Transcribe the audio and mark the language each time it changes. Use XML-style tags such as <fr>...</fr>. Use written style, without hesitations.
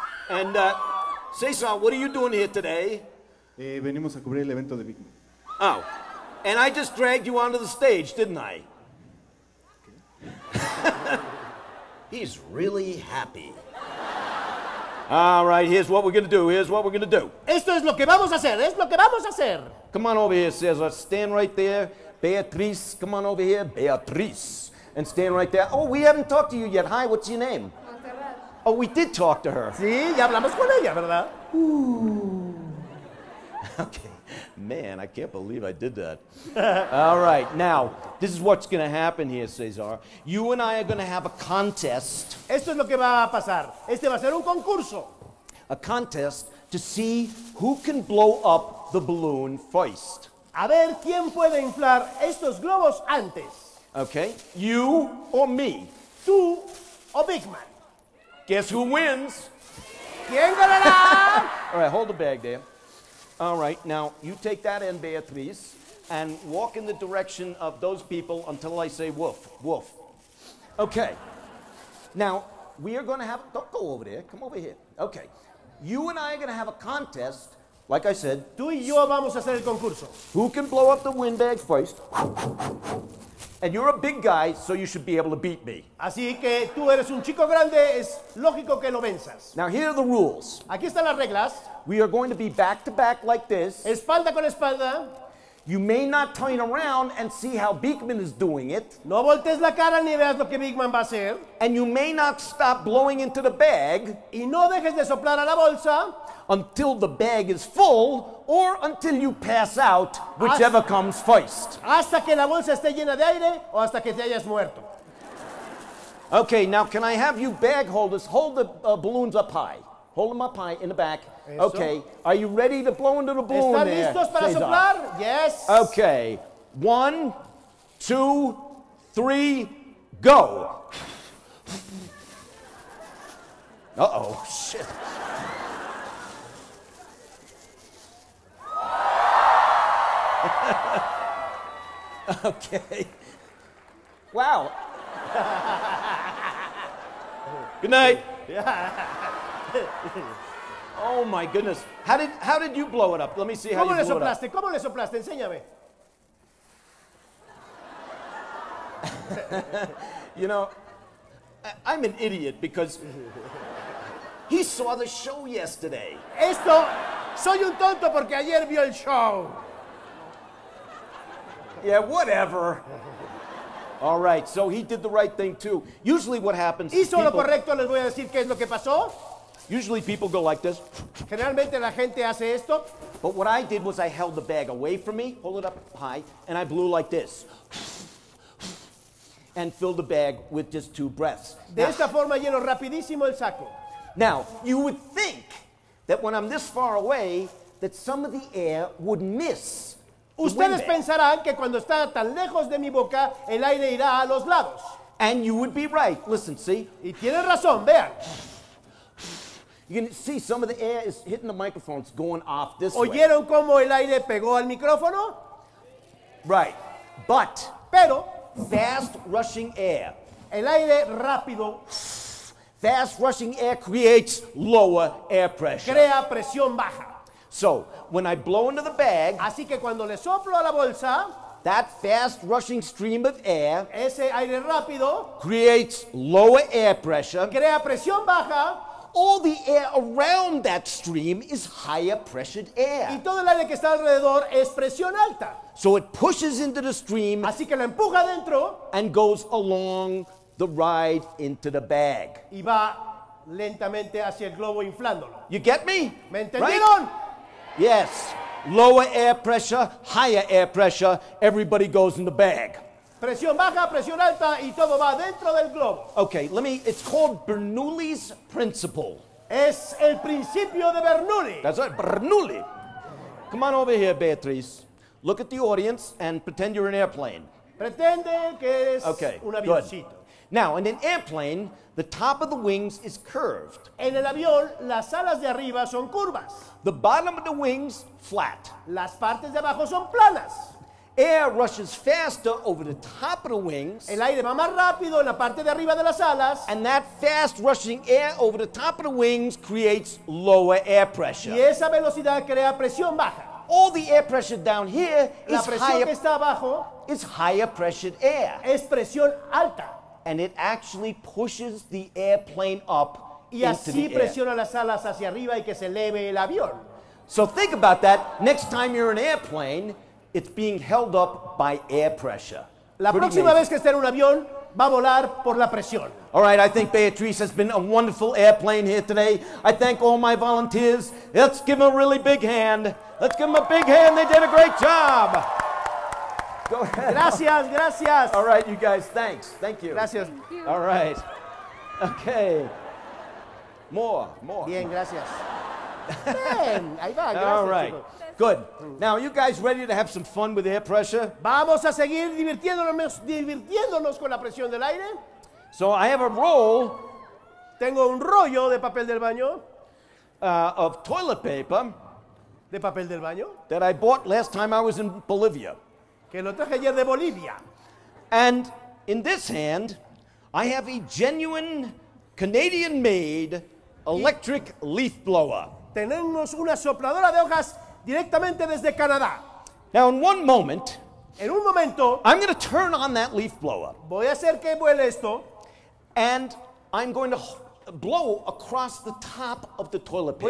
<en>And Cesar, what are you doing here today?</en> <es>Venimos a cubrir el evento de Beakman.</es> <en>Oh, and I just dragged you onto the stage, didn't I? He's really happy. All right, here's what we're going to do. Esto es lo que vamos a hacer, es lo que vamos a hacer. Come on over here, Cesar. Stand right there. Beatrice, come on over here. Beatrice. And stand right there. Oh, we haven't talked to you yet. Hi, what's your name? Montserrat. Oh, we did talk to her.</en> <es>Sí, ya hablamos con ella, ¿verdad?</es> <en>Ooh. Okay. Man, I can't believe I did that. All right. Now, this is what's going to happen here, Cesar. You and I are going to have a contest.</en> <es>Esto es lo que va a pasar. Este va a ser un concurso.</es> <en>A contest to see who can blow up the balloon first.</en> <es>A ver quién puede inflar estos globos antes.</es> <en>Okay, you or me?</en> <es>Tú o Beakman?</es> <en>Guess who wins?</en> <es>¿Quién ganará?</es> <en>All right, hold the bag there. All right, now you take that in, Beatrice. and walk in the direction of those people until I say woof, woof. Okay. Now, we are going to have, don't go over there, come over here. Okay. You and I are going to have a contest, like I said.</en> <es>Tú y yo vamos a hacer el concurso.</es> <en>Who can blow up the windbag first? And you're a big guy, so you should be able to beat me.</en> <es>Así que tú eres un chico grande, es lógico que lo venzas.</es> <en>Now here are the rules.</en> <es>Aquí están las reglas.</es> <en>We are going to be back to back like this.</en> <es>Espalda con espalda.</es> <en>You may not turn around and see how Beakman is doing it.</en> <es>No voltees la cara ni veas lo que Beakman va a hacer.</es> <en>And you may not stop blowing into the bag.</en> <es>Y no dejes de soplar a la bolsa.</es> <en>Until the bag is full, or until you pass out, whichever comes first.</en> <es>Hasta que la bolsa esté llena de aire, o hasta que te hayas muerto.</es> <en>Okay, now can I have you bag holders hold the balloons up high? Hold them up high in the back.</en> <es>Eso.</es> <en>Okay, are you ready to blow into the balloon there?</en> <es>¿Están listos para soplar?</es> <en>Yes. Okay, one, two, three, go. Uh-oh, shit. Okay. Wow. Good night. Yeah. Oh my goodness. How did you blow it up? Let me see how you blew</en> <es>soplaste?</es> <en>It up.</en> <es>¿Cómo le soplaste? ¿Cómo le soplaste? Enséñame.</es> <en>You know, I'm an idiot because he saw the show yesterday.</en> <es>Esto, soy un tonto porque ayer vio el show.</es> <en>Yeah, whatever. All right, so he did the right thing too. Usually what happens is people...</en> <es>Hizo lo correcto, les voy a decir qué es lo que pasó.</es> <en>Usually people go like this.</en> <es>Generalmente la gente hace esto.</es> <en>But what I did was I held the bag away from me, hold it up high, and I blew like this. And filled the bag with just two breaths.</en> <es>De</es> <en>now,</en> <es>esta forma lleno rapidísimo el saco.</es> <en>Now, you would think that when I'm this far away, that some of the air would miss.</en> <es>Ustedes pensarán que cuando está tan lejos de mi boca, el aire irá a los lados.</es> <en>And you would be right. Listen, see?</en> <es>Y tienen razón, vean.</es> <en>You can see some of the air is hitting the microphone. It's going off this way.</en> <es>¿Oyeron cómo el aire pegó al micrófono?</es> <en>Right. But.</en> <es>Pero.</es> <en>Fast rushing air.</en> <es>El aire rápido.</es> <en>Fast rushing air creates lower air pressure.</en> <es>Crea presión baja.</es> <en>So, when I blow into the bag,</en> <es>así que cuando le soplo a la bolsa,</es> <en>that fast rushing stream of air,</en> <es>ese aire rápido,</es> <en>creates lower air pressure,</en> <es>crea presión baja,</es> <en>all the air around that stream is higher pressured air,</en> <es>y todo el aire que está alrededor es presión alta.</es> <en>So it pushes into the stream,</en> <es>así que lo empuja dentro,</es> <en>and goes along the ride into the bag,</en> <es>y va lentamente hacia el globo inflándolo.</es> <en>You get me?</en> <es>¿Me entendieron?</es> <en>Right? Yes, lower air pressure, higher air pressure, everybody goes in the bag.</en> <es>Presión baja, presión alta, y todo va dentro del globo.</es> <en>Okay, it's called Bernoulli's principle.</en> <es>Es el principio de Bernoulli.</es> <en>That's right, Bernoulli. Come on over here, Beatriz. Look at the audience and pretend you're an airplane.</en> <es>Pretende que es un avioncito.</es> <en>Good. Now, in an airplane, the top of the wings is curved.</en> <es>En el avión, las alas de arriba son curvas.</es> <en>The bottom of the wings, flat.</en> <es>Las partes de abajo son planas.</es> <en>Air rushes faster over the top of the wings.</en> <es>El aire va más rápido en la parte de arriba de las alas.</es> <en>And that fast rushing air over the top of the wings creates lower air pressure.</en> <es>Y esa velocidad crea presión baja.</es> <en>All the air pressure down here is higher.</en> <es>La presión que está abajo</es> <en>is higher pressured air.</en> <es>Es presión alta.</es> <en>And it actually pushes the airplane up</en> <es>y así</es> <en>into the air.</en> <es>Presiona las alas hacia arriba y que se eleve el avión.</es> <en>So think about that. Next time you're in an airplane, it's being held up by air pressure.</en> <es>La</es> <en>Pretty</en> <es>próxima</es> <en>amazing.</en> <es>Vez que esté en un avión, va a volar por la presión.</es> <en>All right, I think Beatrice has been a wonderful airplane here today. I thank all my volunteers. Let's give them a really big hand. Let's give them a big hand. They did a great job. Go ahead.</en> <es>Gracias, gracias.</es> <en>All right, you guys, thanks. Thank you.</en> <es>Gracias.</es> <en>Thank you. All right. Okay. More.</en> <es>Bien, gracias. Bien, ahí va, gracias.</es> <en>All right,</en> <es>chicos.</es> <en>Good. Now, are you guys ready to have some fun with air pressure?</en> <es>Vamos a seguir divirtiéndonos con la presión del aire.</es> <en>So I have a roll.</en> <es>Tengo un rollo de papel del baño.</es> <en>Of toilet paper.</en> <es>De papel del baño.</es> <en>That I bought last time I was in Bolivia.</en> <es>Que lo traje ayer de Bolivia.</es> <en>And in this hand, I have a genuine Canadian-made electric leaf blower.</en> <es>Tenemos una sopladora de hojas directamente desde Canadá.</es> <en>Now, in one moment,</en> <es>en un momento,</es> <en>I'm going to turn on that leaf blower.</en> <es>Voy a hacer que vuele esto.</es> <en>And I'm going to blow across the top of the toilet paper.</en>